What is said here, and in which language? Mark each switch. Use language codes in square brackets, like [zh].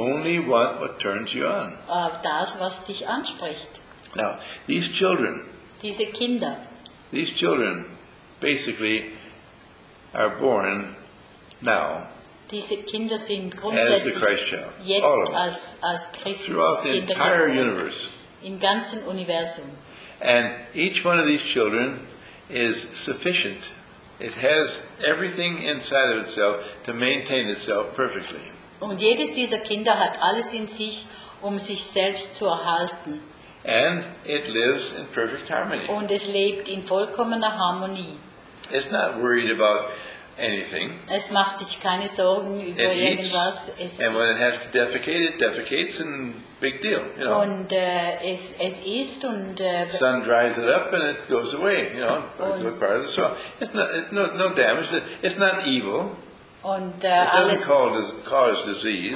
[en] Only want what turns you on. [de] Das, was dich anspricht. [en] Now, these children. [de] Diese Kinder. [en] These children, basically, are born now. [de] Diese Kinder sind grundsätzlich jetzt als Christus [en] throughout the entire universe. [de] Im ganzen Universum. [en] And each one of these children is sufficient. It has everything inside of itself to maintain itself perfectly. [de] Und jedes dieser Kinder hat alles in sich, um sich selbst zu erhalten. [en] And it lives in perfect harmony. [de] Und es lebt in vollkommener Harmonie. [en] It's not worried about anything. [de] Es macht sich keine Sorgen über irgendwas. [en] Es eats, and when it has to defecate, it defecates, and big deal, you know. [de] Und es isst und [en] sun dries it up and it goes away, you know, good part of the soil. It's no damage. It's not evil. [de] Und [en] it doesn't cause disease.